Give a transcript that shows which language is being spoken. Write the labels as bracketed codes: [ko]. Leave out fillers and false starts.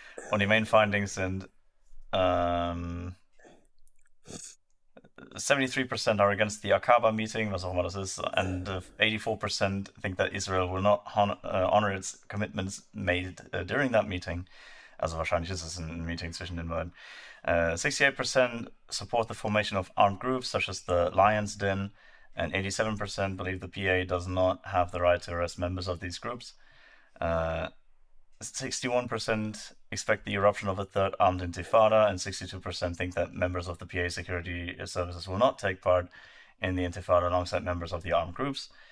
[de] Und die Main Findings sind [en] 73% are against the Aqaba Meeting, [de] was auch immer das ist, [en] and 84% think that Israel will not honor its commitments made during that meeting. [de] Also wahrscheinlich ist es ein Meeting zwischen den beiden. [en] 68% support the formation of armed groups such as the Lions Den. And 87% believe the PA does not have the right to arrest members of these groups. 61% expect the eruption of a third armed intifada, and 62% think that members of the PA security services will not take part in the intifada alongside members of the armed groups.